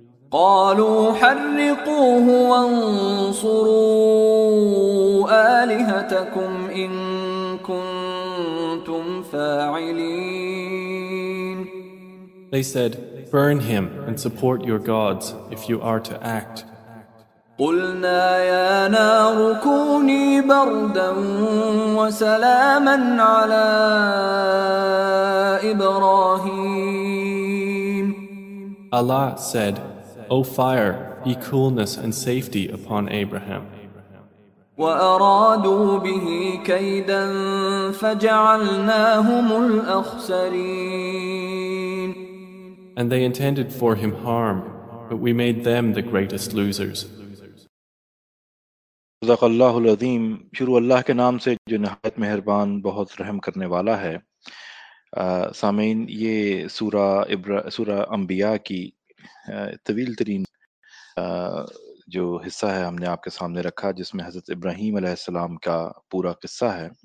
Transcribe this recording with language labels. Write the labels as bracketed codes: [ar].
[ar] قَالُوا حَرِّقُوهُ وَانْصُرُوا آلِهَتَكُمْ إِن كُنْتُمْ فَاعِلِينَ. [en] They said, "Burn him and support your gods if you are to act." [ar] قلنا يا نار كوني بردا وسلاما على إبراهيم. [en] Allah said, "O fire, be coolness and safety upon Abraham." [ar] وأرادوا به كيدا فجعلناهم الأخسرين. [en] And they intended for him harm, but we made them the greatest losers. [ar] رزاق اللہ العظیم, [ur] شروع اللہ کے نام سے جو نہایت مہربان بہت رحم کرنے والا ہے. سامعین, یہ سورہ انبیاء کی طویل ترین جو حصہ ہے ہم نے آپ کے سامنے رکھا, جس میں حضرت ابراہیم علیہ السلام کا پورا قصہ ہے.